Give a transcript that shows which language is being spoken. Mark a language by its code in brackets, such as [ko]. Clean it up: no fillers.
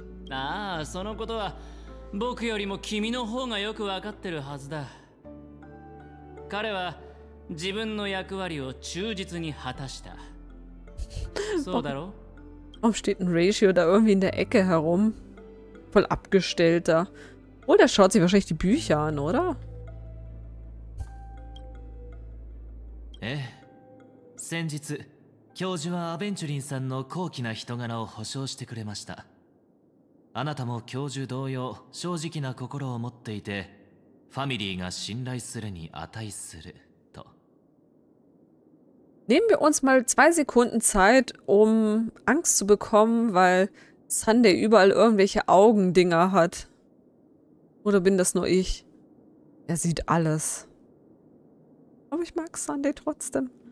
[ja] ああ、そのことは僕よりも君の方がよくわかってるはずだ。彼は自分の役割を忠実に果たした。そうだろう？ [de] Warum steht ein Ratio da irgendwie in der Ecke herum? Voll abgestellt da. Oh, der schaut sich wahrscheinlich die Bücher an, oder? [ja] え、先日教授はアベンチュリンさんの高貴な人柄を保証してくれました。あなたも教授同様正直な心を持っていてファミリーが信頼するに値すると。 [de] Nehmen wir uns mal 2 Sekunden Zeit, um Angst zu bekommen, weil Sunday überall irgendwelche Augendinger hat. Oder bin das nur ich? Er sieht alles. Aber ich mag Sunday trotzdem.